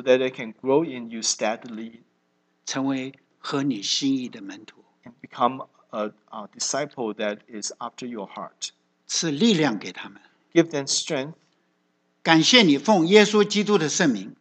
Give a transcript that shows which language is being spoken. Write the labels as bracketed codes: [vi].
[en] that they can grow in you steadily. [zh] 成为合你心意的门徒。 [en] And become a disciple that is after your heart. [zh] 赐力量给他们。 [en] Give them strength. [zh] 感谢你，奉耶稣基督的圣名。